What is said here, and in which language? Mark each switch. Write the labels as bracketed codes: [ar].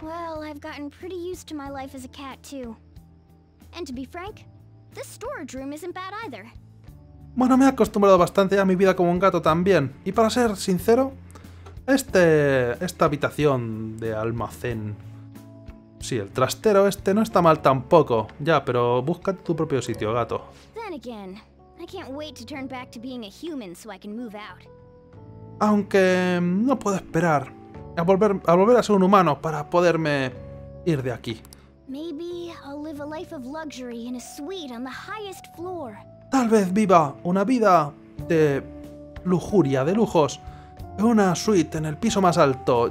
[en] Well, I've gotten pretty used to my life as a cat too. And to be frank, this storage room isn't bad either. [es] Bueno, me he acostumbrado bastante a mi vida como un gato también. Y para ser sincero, esta habitación de almacén, sí, el trastero este no está mal tampoco. Ya, pero búscate tu propio sitio, gato. [en] Then again, I can't wait to turn back to being a human so I can move out. [es] Aunque no puedo esperar a volver a ser un humano para poderme ir de aquí. [en] Maybe I'll live a life of luxury in a suite on the highest floor. [es] Tal vez viva una vida de lujuria, de lujos, en una suite en el piso más alto.